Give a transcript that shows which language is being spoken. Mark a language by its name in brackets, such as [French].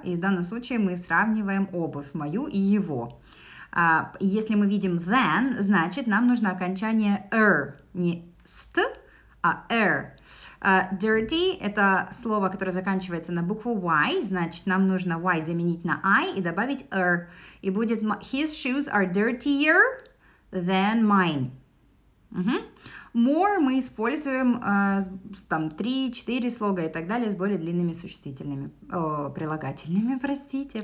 [Russian] И в данном случае мы сравниваем обувь, мою и его. Если мы видим then, значит, нам нужно окончание er, не st, а er. Dirty – это слово, которое заканчивается на букву y, значит, нам нужно y заменить на i и добавить er. И будет [English] his shoes are dirtier than mine. [Russian] Угу. More мы используем там 3-4 слога и так далее с более длинными существительными, прилагательными, простите.